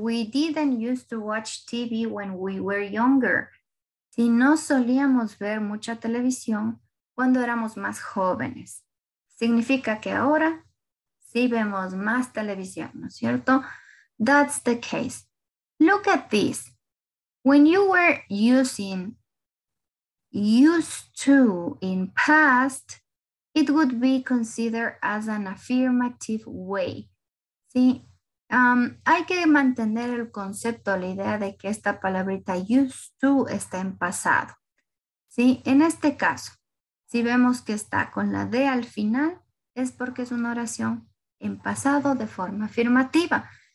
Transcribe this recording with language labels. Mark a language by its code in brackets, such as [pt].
[en] We didn't used to watch TV when we were younger. [es] Si no solíamos ver mucha televisión cuando éramos más jóvenes. Significa que ahora sí vemos más televisión, ¿no es cierto? [en] That's the case. Look at this. When you were using used to in past, it would be considered as an affirmative way. [es] ¿Sí? Hay que mantener el concepto, la idea de que esta palabrita used to está en pasado. ¿Sí? En este caso, si vemos que está con la D al final, es porque es una oración en pasado de forma afirmativa.